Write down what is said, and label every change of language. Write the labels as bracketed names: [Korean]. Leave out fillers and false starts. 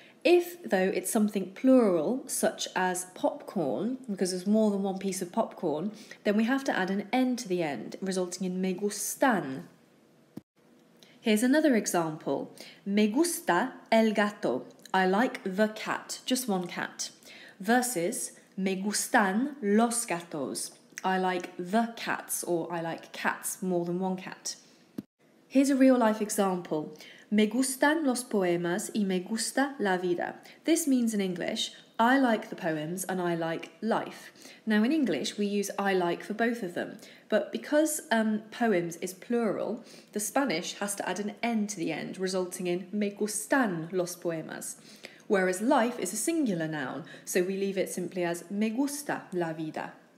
[English] If, though, it's something plural, such as popcorn, because there's more than one piece of popcorn, then we have to add an N to the end, resulting in [Spanish] me gustan. [English] Here's another example. [Spanish] Me gusta el gato. [English] I like the cat, just one cat. [Spanish] Versus me gustan los gatos. [English] I like the cats, or I like cats, more than one cat. Here's a real-life example. [Spanish] Me gustan los poemas y me gusta la vida. [English] This means in English, I like the poems and I like life. Now in English, we use I like for both of them. But because poems is plural, the Spanish has to add an N to the end, resulting in [Spanish] me gustan los poemas. [English] Whereas life is a singular noun, so we leave it simply as [Spanish] me gusta la vida.